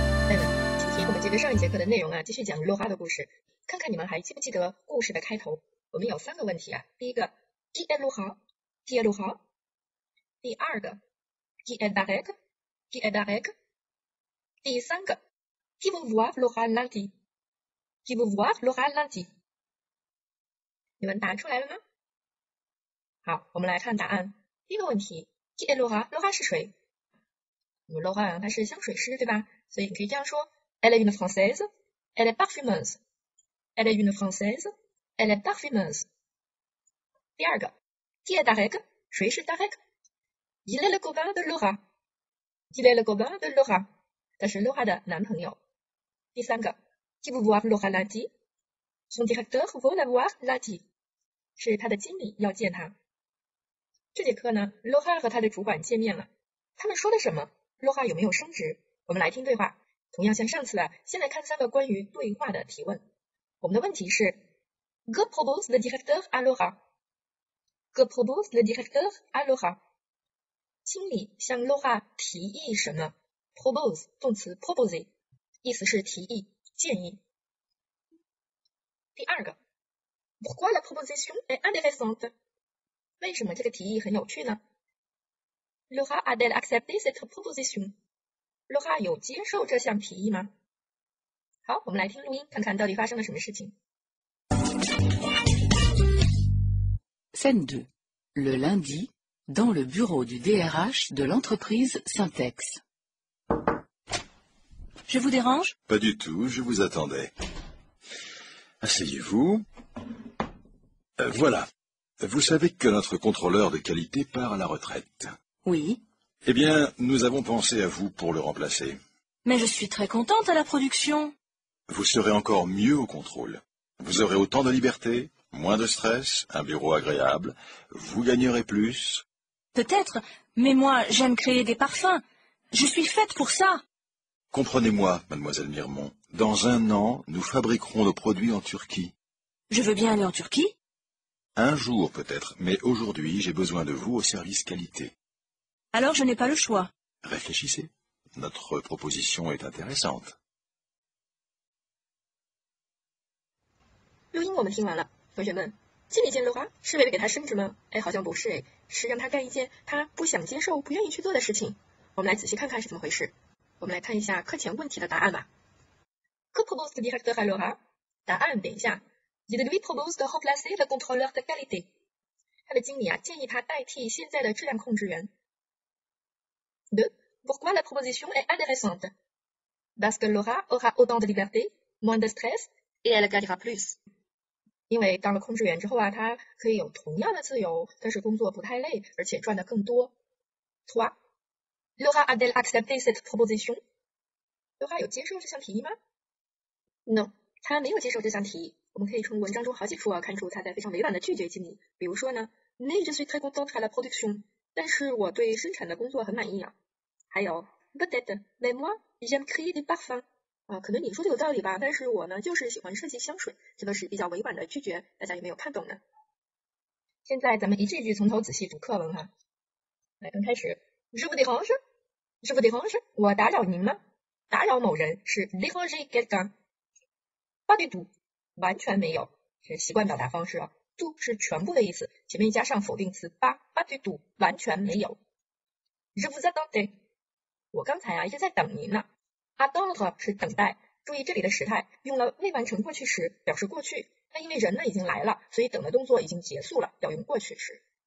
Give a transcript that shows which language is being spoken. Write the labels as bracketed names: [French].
[Chinese] 哎，今天我们接着上一节课的内容啊，继续讲落花的故事。看看你们还记不记得故事的开头？我们有三个问题啊。第一个 [French] ，qui est l'oiseau？qui est l'oiseau？ [Chinese] 第二个 [French] ，qui est l'arbre？qui est l'arbre？ [Chinese] 第三个 [French] ，qui veut voir l'oiseau lundi？qui veut voir l'oiseau lundi？ [Chinese] 你们答出来了吗？好，我们来看答案。第一个问题 [French] ，qui est l'oiseau？ [Chinese] l'oiseau 是谁？我们 l'oiseau 它是香水师，对吧？所以你可以这样说 [French] ：elle est une française， elle est parfumeuse。 Elle est une française, elle est parfumeuse. [Chinese] 第二个 [French] ，qui est Derek？ [Chinese] 谁是 Derek？ [French] Il est le copain de Laura. Il est le copain de Laura. [Chinese] 他是 Laura 的男朋友。第三个 [French] ，qui veut voir Laura lundi？ Son directeur veut la voir lundi. [Chinese] 是他的经理要见他。这节课呢 ，Laura 和他的主管见面了。他们说了什么 ？Laura 有没有升职？我们来听对话。同样像上次啊，先来看三个关于对话的提问。我们的问题是 [French] ，Que propose le directeur à Laura？ Que propose le directeur à Laura？ [Chinese] 经理向 Laura 提议什么 ？Propose 动词 proposer， 意思是提议、建议。 [French] 第二个 ，Pourquoi la proposition est intéressante？ [Chinese] 为什么这个提议很有趣呢 ？ [French] Laura a-t-elle accepté cette proposition？ [Chinese] Laura 有接受这项提议吗？好，我们来听录音，看看到底发生了什么事情。 [French] Scène 2 Le lundi, dans le bureau du DRH de l'entreprise Syntex. Je vous dérange ? Pas du tout, je vous attendais. Asseyez-vous. Voilà, vous savez que notre contrôleur de qualité part à la retraite. Oui. Eh bien, nous avons pensé à vous pour le remplacer. Mais je suis très contente à la production. Vous serez encore mieux au contrôle. Vous aurez autant de liberté, moins de stress, un bureau agréable. Vous gagnerez plus. Peut-être, mais moi, j'aime créer des parfums. Je suis faite pour ça. Comprenez-moi, Mademoiselle Mirmont. Dans un an, nous fabriquerons nos produits en Turquie. Je veux bien aller en Turquie. Un jour, peut-être, mais aujourd'hui, j'ai besoin de vous au service qualité. Alors, je n'ai pas le choix. Réfléchissez. Notre proposition est intéressante. [Chinese] 录音我们听完了，同学们，经理见Laura是为了给他升职吗？哎，好像不是，哎，是让他干一件他不想接受、不愿意去做的事情。我们来仔细看看是怎么回事。我们来看一下课前问题的答案吧。 [French] Que propose le directeur à Laura？ [Chinese] 答案等一下 [French] ，Il lui propose de remplacer le contrôleur de qualité。 [Chinese] 他的经理啊建议他代替现在的质量控制员。 [French] De pourquoi la proposition est intéressante？ Parce que Laura aura autant de liberté, moins de stress et elle gagnera plus。 [Chinese] 因为当了控制员之后啊，他可以有同样的自由，但是工作不太累，而且赚得更多。 3. [French] Laura a-t-elle accepté cette proposition? [Chinese] Laura 有接受这项提议吗？No, 他没有接受这项提议。我们可以从文章中好几处啊看出他在非常委婉的拒绝经理。比如说呢 ， [French] Mais je suis très content à la production， [Chinese] 但是我对生产的工作很满意啊。还有 [French] ，Peut-être, mais moi, j'aime créer des parfums。 [Chinese] 可能你说的有道理吧，但是我呢就是喜欢设计香水，这个是比较委婉的拒绝，大家有没有看懂呢？现在咱们一句一句从头仔细读课文哈。来，刚开始 [French] ，Je vous dérange？ Je vous dérange？ [Chinese] 我打扰您吗？打扰某人是 déranger quelqu'un。pas du tout， 完全没有，是习惯表达方式啊。 tout 是全部的意思，前面加上否定词 pas du tout， 完全没有。 [French] Je vous attendais？ [Chinese] 我刚才啊一直在等您呢。Attendre 是等待，注意这里的时态用了未完成过去时表示过去，但因为人呢已经来了，所以等的动作已经结束了，要用过去时。